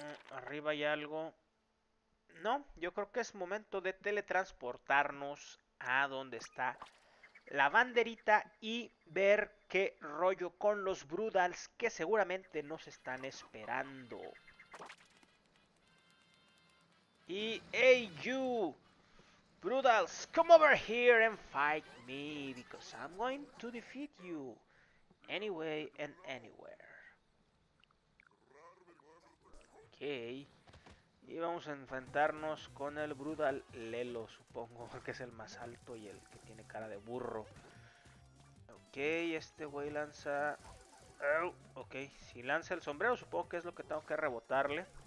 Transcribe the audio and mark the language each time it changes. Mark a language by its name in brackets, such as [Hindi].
[Spanish] Arriba hay algo. No, yo creo que es momento de teletransportarnos a donde está la banderita y ver qué rollo con los Brudals que seguramente nos están esperando. Y [English] hey you, Brudals, come over here and fight me, because I'm going to defeat you anyway and anywhere. Okay. [Spanish] Y vamos a enfrentarnos con el Brudal Lelo, supongo, que es el más alto y el que tiene cara de burro. Ok, este güey lanza... Ok, si lanza el sombrero, supongo que es lo que tengo que rebotarle.